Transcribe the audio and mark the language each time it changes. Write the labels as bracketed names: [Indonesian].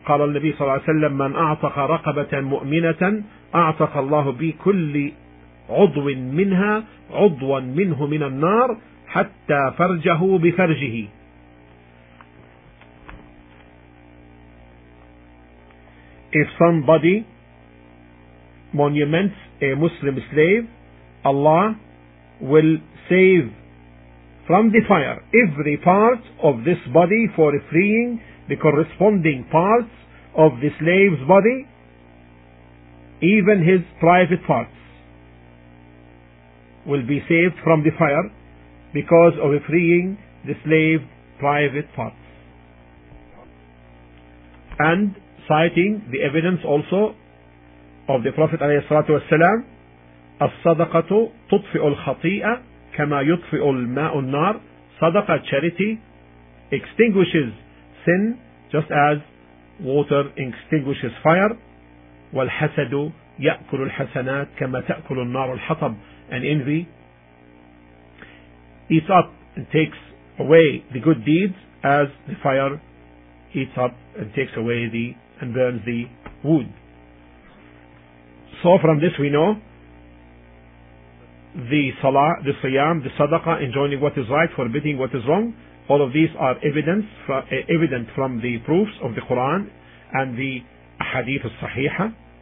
[Arabic] قال النبي صلى الله عليه وسلم من أعتق رقبة مؤمنة أعتق الله بكل عضو منها عضوا منه من النار حتى فرجه بفرجه. [English] If somebody monuments a Muslim slave, Allah will save from the fire every part of this body for freeing the corresponding parts of the slave's body, even his private parts will be saved from the fire because of freeing the slave private parts. And citing the evidence also of the Prophet عليه الصلاة والسلام, [Arabic] الصدقة تطفئ الخطيئة كما يطفئ الماء النار. [English] صدقة, charity, extinguishes sin just as water extinguishes fire. [Arabic] والحسد يأكل الحسنات كما تأكل النار الحطب. [English] And envy eats up and takes away the good deeds as the fire eats up and takes away and burns the wood. So from this we know the salah, the siyam, the sadaqah, enjoining what is right, forbidding what is wrong, all of these are evident from the proofs of the Quran and the hadith al-sahihah.